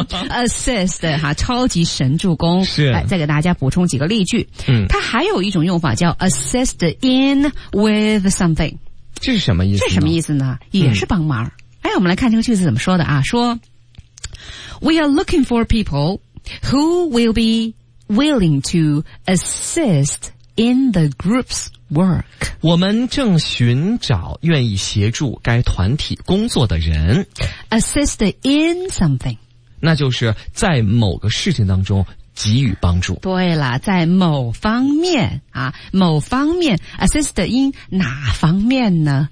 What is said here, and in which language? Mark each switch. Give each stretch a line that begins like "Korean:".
Chinese: assist 哈，超级神助攻。是，来再给大家补充几个例句。嗯，它还有一种用法叫
English: assist in with something，
Chinese: 这是什么意思？这什么意思呢？也是帮忙。嗯，哎，我们来看这个句子怎么说的啊？说
English: we are looking for people。 Who will be willing to assist in the group's work?
Chinese: 我们正寻找愿意协助该团体工作的人。
English: Assist in something.
Chinese: 那就是在某个事情当中给予帮助。对了，在某方面啊，某方面 assist in 哪方面呢？